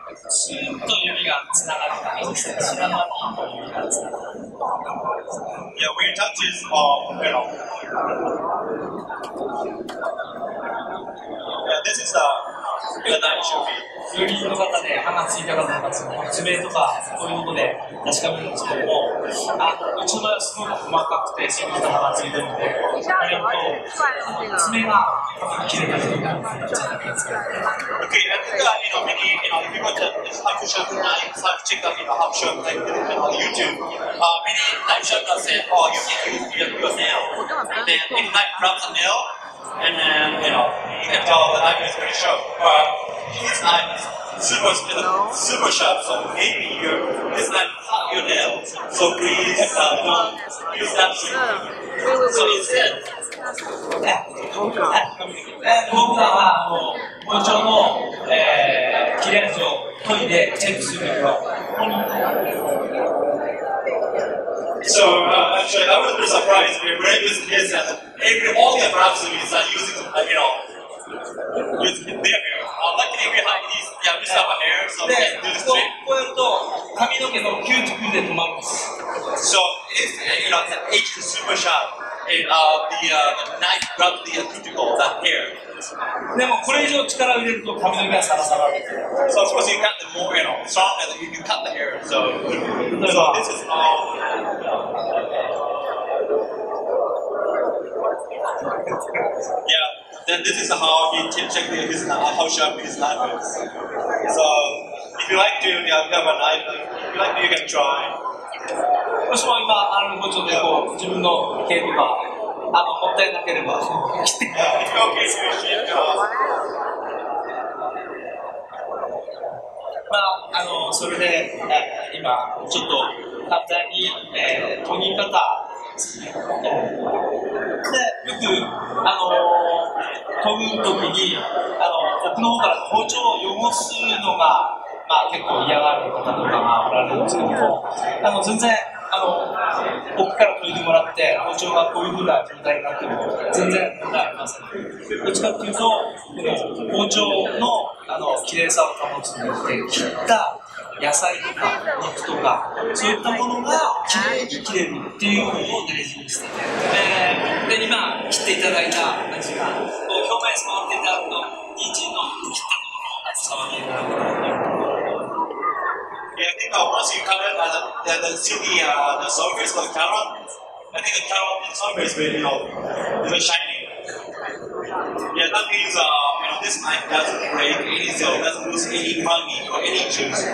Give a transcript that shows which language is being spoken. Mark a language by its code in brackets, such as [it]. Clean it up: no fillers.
[ja] スーッと指がつながった、つながった指がつながった。 [en] Yeah, when you touch it, Yeah, this is the knife should be. [ja] よりの方で歯がついた方が爪とかこういうので確かめるんですけども、うちのすごく細かくて、すごく歯がついてるので、ありがとう。爪が切れたりとか。 [en] Okay, I think that, you know, many, you know, if you watch this knife sharp knife, so I've checked out, you know, how sharp knife did it on YouTube. Many knife sharpers say, oh, you can use your nail. Then, if knife grabs a nail, and then, you know, you can tell the knife is pretty sharp. But his knife is super sharp, so maybe your, his knife cut your nail. So please, don't use that sharp. So instead, So actually, I was pretty surprised. The great news is that every all the craftsmen are using, you know, using their hair. Luckily, we have these. Yeah, we have a hair, so we can do this trick. [ja] こうやると髪の毛のキューティクルで止まるんです。 [en] So if you know the edge is super sharp. The knife grabs the cuticle, the hair. [ja] でもこれ以上力を入れると髪の毛がサラサラです [en] So of course you cut the more, you know, stronger than you cut the hair. So, so this is all. Yeah, then this is how you can check the, his, how sharp his knife is. So if you like to, yeah, you have a knife, if you like to, you can try. [ja] もしも今あるごちょでこう自分の毛とかもったいなければ切ってください。まあそれで今ちょっと簡単に研ぎ方でよく研ぐときに僕の方から包丁を汚すのが結構嫌がる方とかがおられるんですけども、全然僕から研いでもらって包丁がこういう風な状態になっても全然問題ありません。どっちかっていうと包丁の綺麗さを保つのって切った野菜とか肉とかそういったものが綺麗に切れるっていうのを大事にしてて、で今切っていただいた感じが表面に触っていただくと人参の切ったところを触っていただくと、 [en] Yeah, I think once you cut it, the surface of the carrot, I think the carrot on the surface will, you know, is shiny. Yeah, that means, this knife doesn't break any cell, doesn't lose any umami or any juice.